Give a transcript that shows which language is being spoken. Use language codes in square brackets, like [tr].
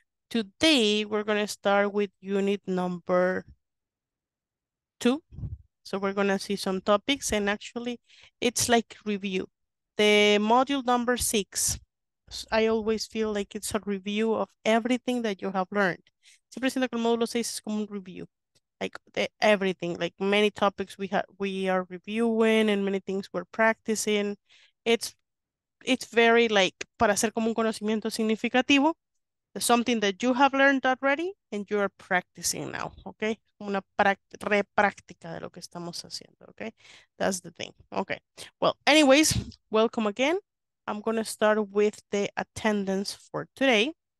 [en] Today we're going to start with unit number two. So we're going to see some topics and actually it's like review. The module number six, I always feel like it's a review of everything that you have learned. [es] Siempre siento que el módulo seis es como un review. [en] Like the, everything, like many topics we are reviewing and many things we're practicing. It's very like, [es] para hacer como un conocimiento significativo, [en] something that you have learned already and you are practicing now, okay? [es] Una repráctica de lo que estamos haciendo, okay? [en] That's the thing, okay. Well, anyways, welcome again. I'm gonna start with the attendance for today.